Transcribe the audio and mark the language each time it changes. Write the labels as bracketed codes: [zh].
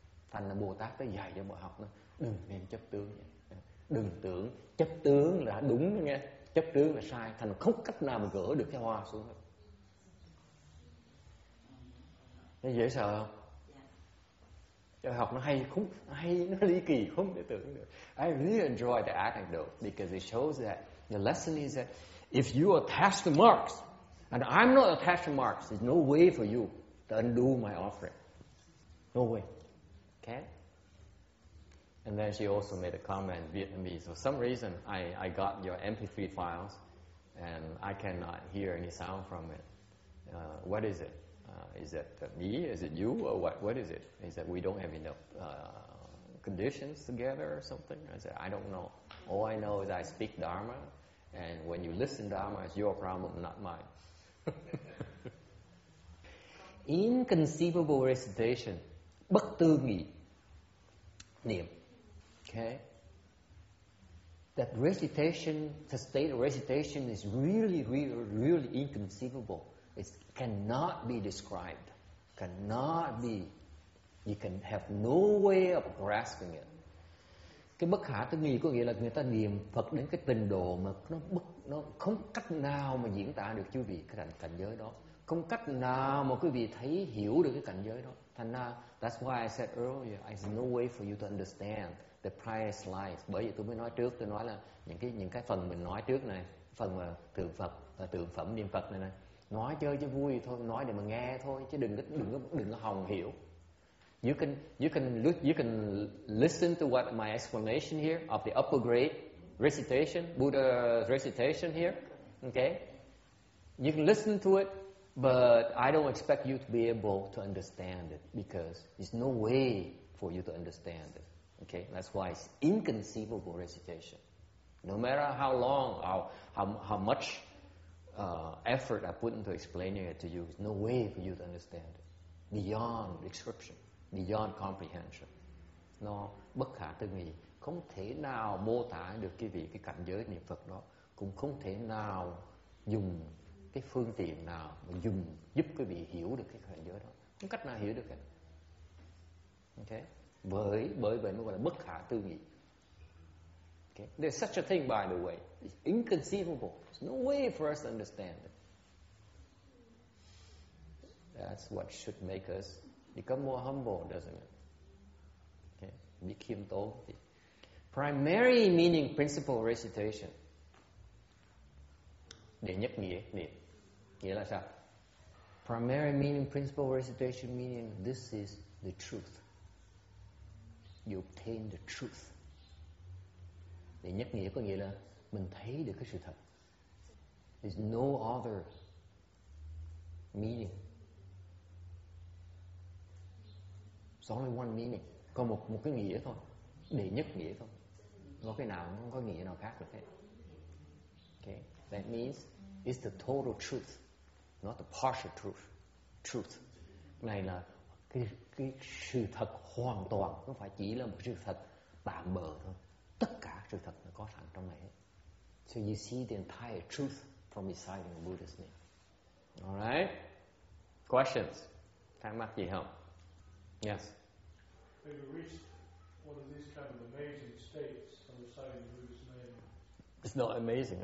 [vi] Thành là Bồ Tát tới dạy cho bọn học nó, đừng nên chấp tướng, đừng tưởng chấp tướng là đúng nghe. Chấp tướng là sai, thành không cách nào mà gỡ được cái hoa xuống. Nó dễ sợ không? Dạ. Học nó hay không? Hay nó ly kỳ không để tưởng được. [en] I really enjoy the anecdote because it shows that the lesson is that if you attach to marks and I'm not attached to marks, there's no way for you to undo my offering. No way. Okay? And then she also made a comment in Vietnamese. For some reason, I got your MP3 files, and I cannot hear any sound from it. What is it? Is it me? Is it you? Or what? What is it? Is that we don't have enough conditions together or something? I said, I don't know. All I know is I speak Dharma, and when you listen Dharma, it's your problem, not mine. Inconceivable recitation, [vi] bất tư nghị niệm. Okay. [en] That recitation, the state of recitation is really, really, really inconceivable. It cannot be described. Cannot be. You can have no way of grasping it. [vi] Cái bất khả tư nghị có nghĩa là người ta niệm Phật đến cái trình độ mà nó không cách nào mà diễn tả được chư vị cái cảnh giới đó. Không cách nào mà quý vị thấy hiểu được cái cảnh giới đó. Thành ra, [en] that's why I said earlier, there's no way for you to understand the priest life. [vi] Bởi vì tôi mới nói trước, tôi nói là những cái phần mình nói trước này, phần mà tượng Phật và tượng phẩm niệm Phật này, nói chơi cho vui thôi, nói để mà nghe thôi, chứ đừng có hòng hiểu. [en] You can listen to what my explanation here of the upper grade recitation, Buddha recitation here, okay? You can listen to it, but I don't expect you to be able to understand it because there's no way for you to understand it. Okay, that's why it's inconceivable recitation. No matter how long or how much effort I put into explaining it to you, there's no way for you to understand it. Beyond description, beyond comprehension. [vi] Nó bất khả tư nghị, không thể nào mô tả được cái vị cái cảnh giới niệm Phật đó, cũng không thể nào dùng cái phương tiện nào mà dùng giúp quý vị hiểu được cái cảnh giới đó. Không cách nào hiểu được cái. Okay? Bởi vậy mới gọi là bất khả tư nghị. [en] Okay. There's such a thing, by the way. It's inconceivable. There's no way for us to understand it. That's what should make us become more humble, doesn't it? Okay. [vi] Bị khiêm tốn. [en] Primary meaning principle recitation. [vi] Để nhất nghĩa, niệm. Nghĩa là sao? [en] Primary meaning principle recitation meaning this is the truth. You obtain the truth. [vi] Thì nhất nghĩa có nghĩa là mình thấy được cái sự thật. [en] There's no other meaning. It's only one meaning. [vi] Có một cái nghĩa thôi, để nhất nghĩa thôi. Có cái nào không có nghĩa nào khác được hết. [en] Okay, that means it's the total truth, not the partial truth. Truth. [vi] Này là cái sự thật hoàn toàn, không phải chỉ là một sự thật tạm bợ thôi. Tất cả sự thật nó có sẵn trong này hết. [en] So you see the entire truth from inside the Buddha's name. Alright. Questions? [vi] Thắc mắc gì không? [en] Yes. Have you reached one of these kind of amazing states from reciting the Buddha's name? It's not amazing.